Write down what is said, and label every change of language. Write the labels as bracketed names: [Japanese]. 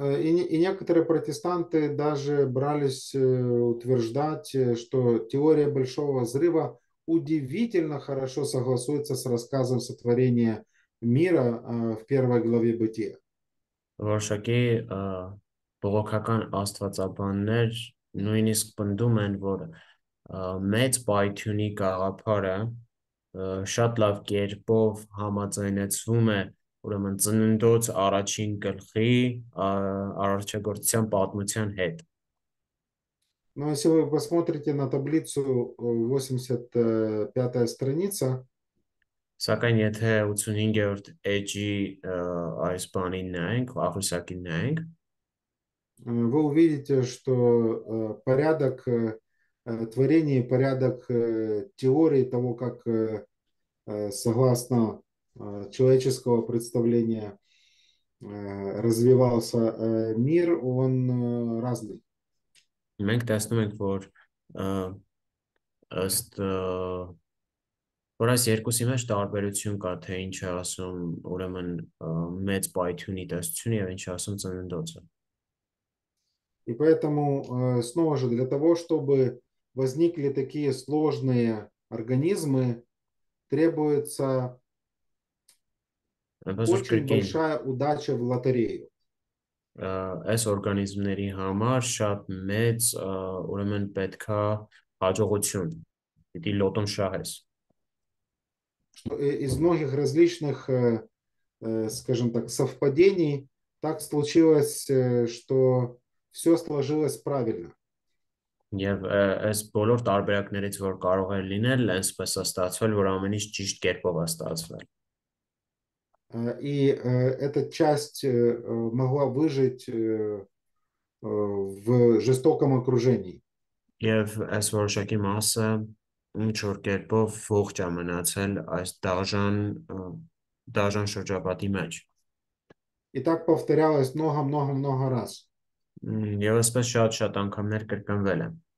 [Russian] И некоторые протестанты даже брались утверждать, что теория Большого Взрыва удивительно хорошо согласуется с рассказом сотворения мира в первой главе Бытия. [Armenian] Որոշակի բողոքական աստվածաբաններ նույնիսկ պնդում են, որ մեծ պայթյունի գաղափարը շատ լավ կերպով համաձայնեցվում է, ուրեմն, ծննդոց առաջին գլխի առաջագործության պատմության հետ։ [Russian] Но если вы посмотрите на таблицу 85-я страница, [Armenian] Սակայն եթե 85-րդ էջի այս բանին նայենք, աղյուսակին նայենք, [Russian] вы увидите, что порядок творение, порядок теории того, как согласно человеческого представления развивался мир, он разный. [Armenian] Մենք տեսնում ենք, որ ըստ որ այս երկուսի մեջ տարբերություն կա, թե ինչ է ասում, ուրեմն, մեծ պայթյունի տեսությունը եւ ինչ է ասում ծննդոցը։ [Russian] И поэтому, снова же, для того, чтобы возникли такие сложные организмы, требуется очень большая удача в лотерею. [Armenian] Այս օրգանիզմների համար շատ մեծ, ուրեմն, պետք է հաջողություն, պիտի լոտոն շահես։ [Russian] Из многих различных, скажем так, совпадений так случилось, что все сложилось правильно. [Armenian] Եվ այս բոլոր տարբերակներից, որ կարող են լինել, այսպես է ստացվել, որ ամեն ինչ ճիշտ կերպով է ստացվել։ [Russian] И эта часть могла выжить в жестоком окружении. [Armenian] Եվ այս որոշակի մասը ինչ որ կերպով ողջ է մնացել այս դաժան շրջապատի մեջ։ [Russian] И так повторялось много раз. [Armenian] Եվ այսպես շատ-շատ անգամներ կրկնվել է։